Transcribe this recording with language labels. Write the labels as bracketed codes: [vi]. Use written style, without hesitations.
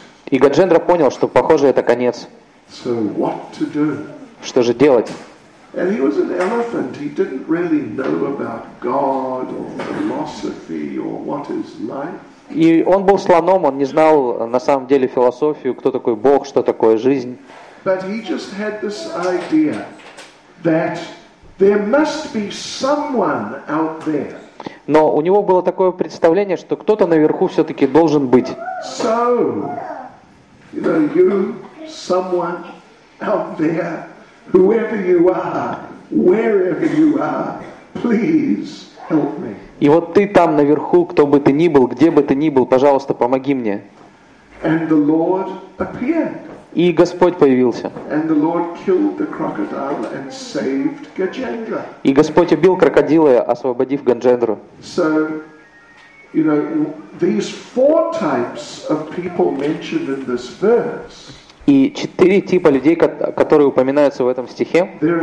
[ru] И Гаджендра понял, что, похоже, это конец. Что же делать? [en] And he was an elephant. He didn't really know about God or philosophy or what is life. [ru] И он был слоном, он не знал на самом деле философию, кто такой Бог, что такое жизнь. [en] But he just had this idea that there must be someone out there. [ru] Но у него было такое представление, что кто-то наверху все-таки должен быть. [en] So, you know, you, someone out there. Whoever you are, wherever you are, please help me. [ru] И вот ты там наверху, кто бы ты ни был, где бы ты ни был, пожалуйста, помоги мне. [en] And the Lord appeared. [ru] И Господь появился. [en] And the Lord killed the crocodile and saved Gajendra. [ru] И Господь убил крокодила, освободив Гаджендру. [en] So, you know, these four types of people mentioned in this verse. [ru] И четыре типа людей, которые упоминаются в этом стихе.